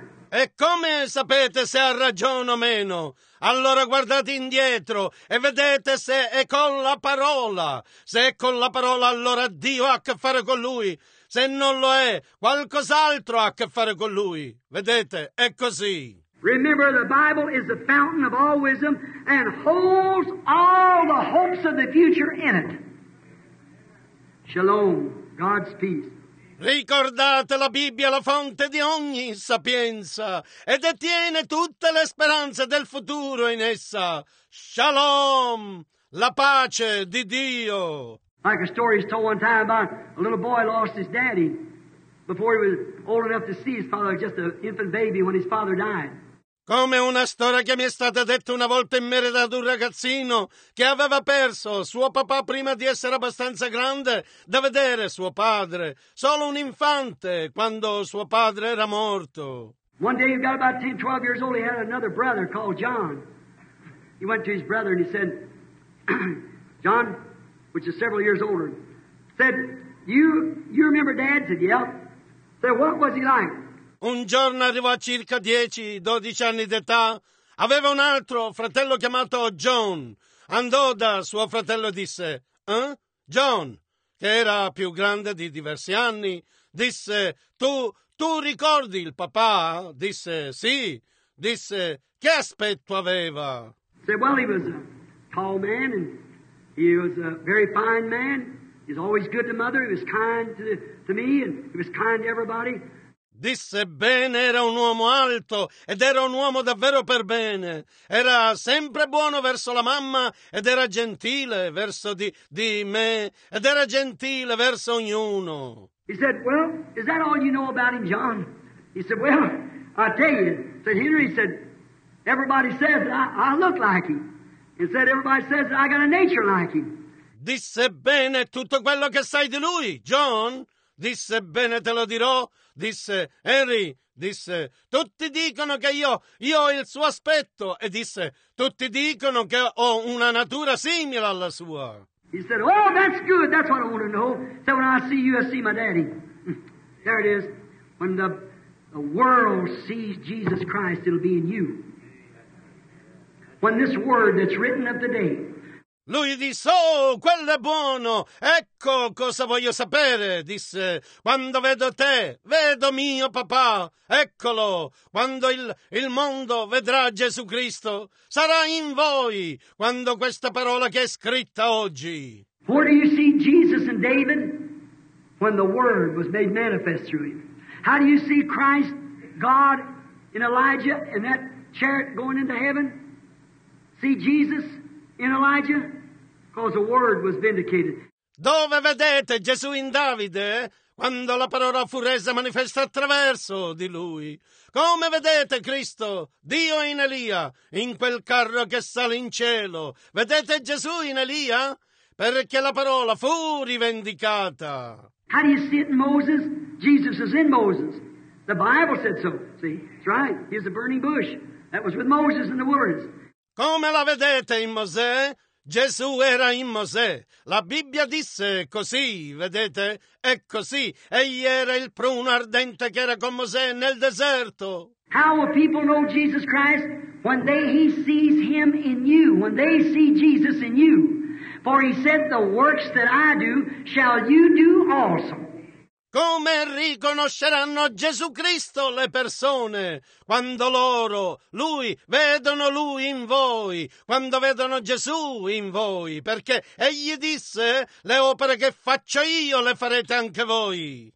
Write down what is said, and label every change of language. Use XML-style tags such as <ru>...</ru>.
<it>E come sapete se ha ragione o meno? Allora guardate indietro e vedete se è con la parola. Se è con la parola, allora Dio ha a che fare con lui. Se non lo è, qualcos'altro ha a che fare con lui. Vedete, è così.</it> <en>Remember, the Bible is the fountain of all wisdom and holds all the hopes of the future in it. Shalom, God's peace.</en> <it>Ricordate, la Bibbia è la fonte di ogni sapienza e detiene tutte le speranze del futuro in essa. Shalom, la pace di Dio.</it> <en>Like a story is told one time about a little boy lost his daddy. before he was old enough to see his father, just an infant baby when his father died.</en> <it>Come una storia che mi è stata detta una volta in merito ad un ragazzino che aveva perso suo papà prima di essere abbastanza grande da vedere suo padre, solo un infante, quando suo padre era morto.</it> <en>One day he got about 10, 12 years old, he had another brother called John. He went to his brother and he said, John, which is several years older, said, you remember Dad? Said, yeah. Said, what was he like?</en> <it>Un giorno arrivò a circa 10-12 anni d'età, aveva un altro fratello chiamato John. Andò da suo fratello e disse, John, che era più grande di diversi anni, disse, tu ricordi il papà? Disse, sì. Disse, che aspetto aveva?</it> <en>Said, well, he was a tall man, and he was a very fine man. He was always good to mother, he was kind to me, and he was kind to everybody.</en> <it>Disse, bene, era un uomo alto ed era un uomo davvero per bene. Era sempre buono verso la mamma ed era gentile verso di me ed era gentile verso ognuno.</it> <en>He said, well, is that all you know about him, John? He said, well, I tell you, said Henry, said, everybody says I look like him. He said, everybody says I got a nature like him.</en> <it>Disse, bene, tutto quello che sai di lui, John? Disse, bene, te lo dirò. Disse, Henry, disse, tutti dicono che io ho il suo aspetto. E disse, tutti dicono che ho una natura simile alla sua.</it> <en>He said, oh, that's good, that's what I want to know. He said, when I see you, I see my daddy. There it is. When the world sees Jesus Christ, it'll be in you. When this word that's written of today.</en> <it>Lui disse, oh, quello è buono, ecco cosa voglio sapere, disse, quando vedo te, vedo mio papà, eccolo, quando il mondo vedrà Gesù Cristo, sarà in voi, quando questa parola che è scritta oggi.</it> <en>Where do you see Jesus and David? When the word was made manifest through him. How do you see Christ, God, in Elijah, in that chariot going into heaven? See Jesus? In Elijah, because the word was vindicated.</en> <it>Dove vedete Gesù in Davide quando la parola fu resa manifesta attraverso di lui? Come vedete Cristo, Dio in Elia, in quel carro che sale in cielo? Vedete Gesù in Elia perché la parola fu rivendicata.</it> <en>How do you see it in Moses? Jesus is in Moses. The Bible said so. See, it's right. Here's the burning bush. That was with Moses in the words.</en> <it>Come la vedete in Mosè? Gesù era in Mosè. La Bibbia disse così, vedete? È così. Egli era il pruno ardente che era con Mosè nel deserto.</it> <en>How will people know Jesus Christ? When he sees him in you. When they see Jesus in you. For he said, the works that I do, shall you do also.</en> <it>Come riconosceranno Gesù Cristo le persone quando loro, lui, vedono lui in voi, quando vedono Gesù in voi, perché egli disse, le opere che faccio io le farete anche voi.</it>